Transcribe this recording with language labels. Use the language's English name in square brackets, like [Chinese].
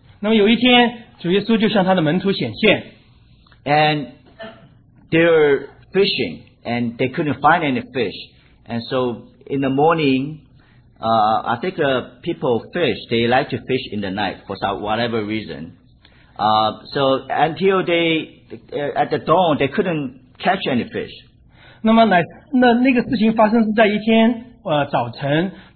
[Chinese] 那么有一天, 主耶稣就向他的门徒显现。 [English] And they were fishing, and they couldn't find any fish. And so in the morning, I think people fish. They like to fish in the night for some, whatever reason. So until at the dawn, they couldn't catch any fish. [Chinese] 那么那个事情发生是在一天早晨。